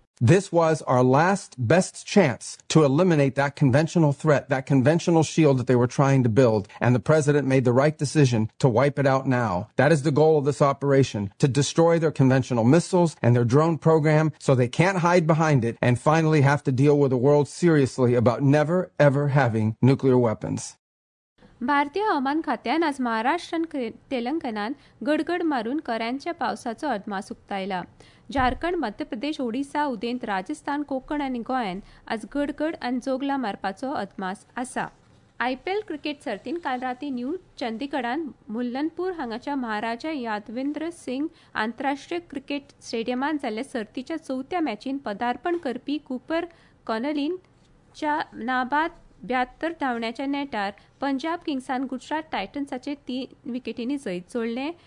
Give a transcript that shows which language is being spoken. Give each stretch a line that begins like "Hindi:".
English: This was our last best chance to eliminate that conventional threat, that conventional shield that they were trying to build, and the president made the right decision to wipe it out now. That is the goal of this operation, to destroy their conventional missiles and their drone program so they can't hide behind it and finally have to deal with the world seriously about never, ever having nuclear weapons.
Konkani: भारतीय हवामान खात्यान आज महाराष्ट्र तेलंगणान गडगड मारून कऱ्यांच्या पावसाचो अदमास उक्तायला. झारखंड मध्य प्रदेश ओडिशा उदेंत राजस्थान कोकण आनी गोंयांत आज गडगड आनी जोगला मारपाचो अदमास आसा. आयपीएल क्रिकेट सर्तीन काल राती न्यू चंदीगडान मुल्लनपूर हांगाच्या महाराजा यादवेंद्र सिंग आंतरराष्ट्रीय क्रिकेट स्टेडियमांत जाल्ल्या सर्तीच्या 4थ्या मॅचीन पदार्पण करपी कुपर कॉनलीनच्या नाबाद 72 धांवड्यांच्या नेटार पंजाब किंग्सान गुजरात टायटन्साचे 3 विकेटींनी जैत जोडले.